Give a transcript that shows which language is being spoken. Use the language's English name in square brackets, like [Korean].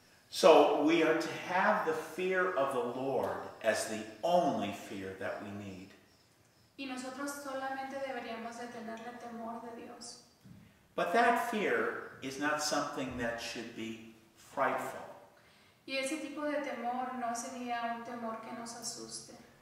[English] So we are to have the fear of the Lord as the only fear that we need. [Spanish] Y nosotros solamente deberíamos de tener el temor de Dios. [English] But that fear is not something that should be frightful. [Spanish] Y ese tipo de temor no sería un temor que nos asuste.